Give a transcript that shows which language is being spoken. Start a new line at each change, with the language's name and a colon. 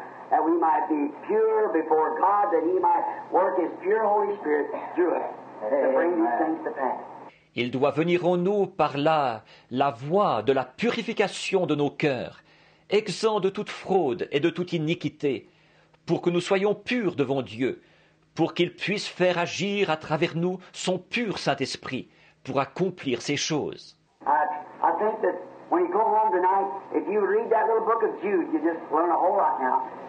English: That we might be pure before God, that He might work His pure Holy Spirit through us to bring these things to pass.
French: Il doit venir en nous par là la voie de la purification de nos cœurs, exempt de toute fraude et de toute iniquité, pour que nous soyons purs devant Dieu, pour qu'il puisse faire agir à travers nous son pur Saint-Esprit pour accomplir ces choses.
English: I think that when you go home tonight, if you read that little book of Jude, you just learn a whole lot now.